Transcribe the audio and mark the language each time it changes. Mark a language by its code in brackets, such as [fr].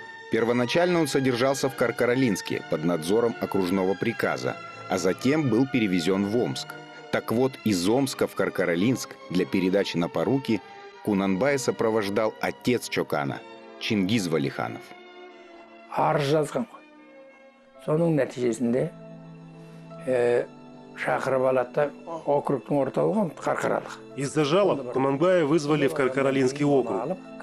[ru] Первоначально он содержался в Каркаралинске под надзором окружного приказа, а затем был перевезен в Омск. Так вот, из Омска в Каркаралинск для передачи на поруки Кунанбая сопровождал отец Чокана, Чингиз Валиханов. [kk] Арыз жазған. Соның нәтижесінде шақырып алады да округтің орталығы Қарқаралық. [ru] Из-за жалоб Кунанбая вызвали в Каркаралинский округ.